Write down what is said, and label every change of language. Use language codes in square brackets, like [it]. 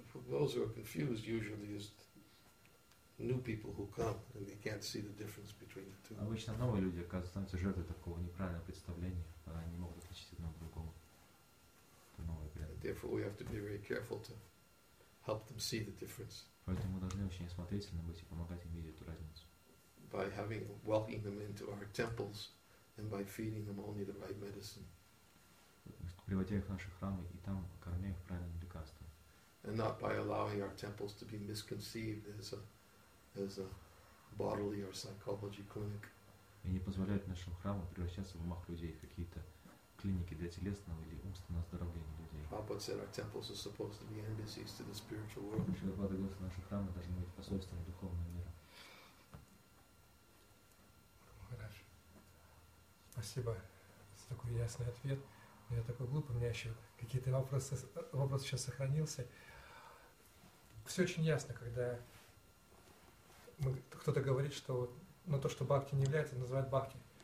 [en] Those who are confused usually is new people who come and they can't see the difference between the two. [ru] Обычно новые люди оказываются жертвой такого неправильного представления, когда они не могут отличить одно от другого. [en] Therefore, we have to be very careful to help them see the difference. [ru] Поэтому мы должны очень осмотрительно быть и помогать им видеть эту разницу. [en] By having welcoming them into our temples and by feeding them only the right medicine. [ru] Приводя их в наши храмы и там кормя их правильным лекарством. [en] And not by allowing our temples to be misconceived as a bodily or psychology clinic. [ru] И не позволять нашим храмам превращаться в умах людей в какие-то клиники для телесного или умственного оздоровления людей. [en] Prabhupada said our temples are supposed to be embassies to the spiritual world. [ru] Шрилапада говорит, что наши храмы должны быть посольствами духовного мира. Хорошо. спасибо за такой ясный ответ. Но я такой глупый, у меня еще какие-то вопросы сейчас сохранился. Все очень ясно, когда кто-то говорит, что на то, что бхакти не является, называют бхакти.